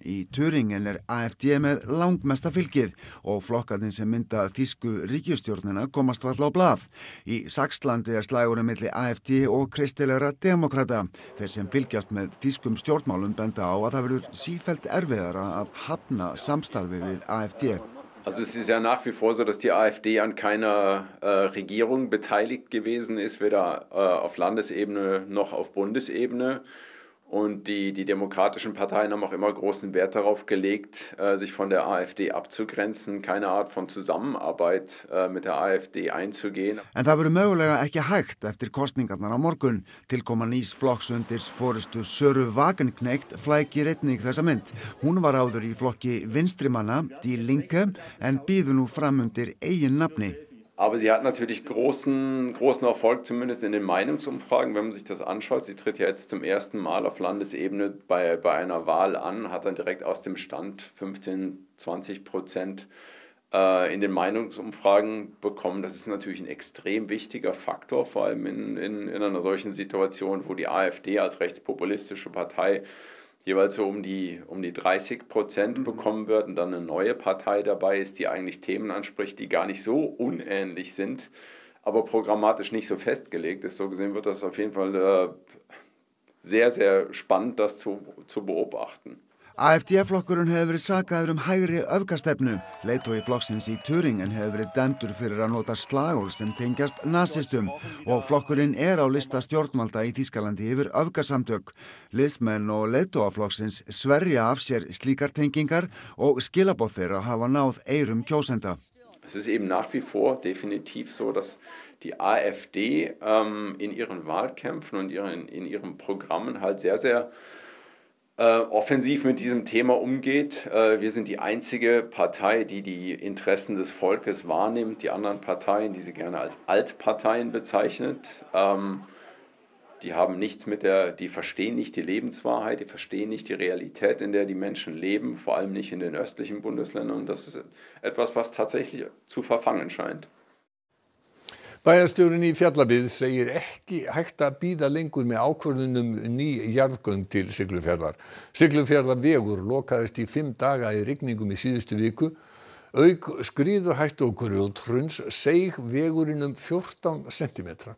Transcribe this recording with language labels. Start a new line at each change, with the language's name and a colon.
Icelandic: Í Thüringen er AfD með langmesta fylgið og flokkarnir sem mynda þýsku ríkisstjórnina komast varla á blað. Í Saxlandi er slagurinn milli AfD og kristilegra demokrata. Þeir sem fylgjast með þýskum stjórnmálum benda á að það verður sífellt erfiðara að hafna samstarfi við AfD.
German: Also es ist ja nach wie vor so, dass die AfD an keiner Regierung beteiligt gewesen ist, weder auf Landesebene noch auf Bundesebene. Und die demokratischen Parteien haben auch immer großen Wert darauf gelegt, sich von der AfD abzugrenzen, keine Art von Zusammenarbeit mit der AfD einzugehen.
Icelandic: En það verður mögulega ekki hægt eftir kosningarnar á morgun. Tilkoma nýs flokksundirs forystu Söru Wagenknecht flækir einnig þessa mynd. Hún var áður í flokki vinstrimanna, Die Linke, en býður nú fram undir eigin nafni.
German: Aber sie hat natürlich großen Erfolg, zumindest in den Meinungsumfragen, wenn man sich das anschaut. Sie tritt ja jetzt zum ersten Mal auf Landesebene bei einer Wahl an, hat dann direkt aus dem Stand 15-20% in den Meinungsumfragen bekommen. Das ist natürlich ein extrem wichtiger Faktor, vor allem in einer solchen Situation, wo die AfD als rechtspopulistische Partei jeweils so um die 30% bekommen wird und dann eine neue Partei dabei ist, die eigentlich Themen anspricht, die gar nicht so unähnlich sind, aber programmatisch nicht so festgelegt ist. So gesehen wird das auf jeden Fall sehr, sehr spannend, das zu beobachten.
Icelandic: AfD-flokkurinn hefur verið sakaður hægri öfgastefnu. Leiðtogi flokksins í Thüringen hefur verið dæmdur fyrir að nota slagorð sem tengjast nasistum og flokkurinn á lista stjórnvalda í Þýskalandi yfir öfgasamtök. Liðsmenn og leiðtoga flokksins sverja af sér slíkar tengingar og skilaboð þeirra hafa náð eyrum kjósenda.
German: Es ist eben nach wie vor definitiv so, dass die AfD in ihren Wahlkämpfen und in ihren Programmen halt sehr, sehr offensiv mit diesem Thema umgeht. Wir sind die einzige Partei, die die Interessen des Volkes wahrnimmt, die anderen Parteien, die sie gerne als Altparteien bezeichnet. Die haben nichts mit der, die verstehen nicht die Lebenswahrheit, die verstehen nicht die Realität, in der die Menschen leben, vor allem nicht in den östlichen Bundesländern. Und das ist etwas, was tatsächlich zu verfangen scheint.
Icelandic: Bæjarstjórinn í Fjallabyggð segir ekki hægt að bíða lengur með ákvörðun ný jarðgöng til Siglufjarðar. Siglufjarðarvegur lokaðist í 5 daga í rigningum í síðustu viku. Auk skriðu hættu okkur og truns seig vegurinn 14 cm.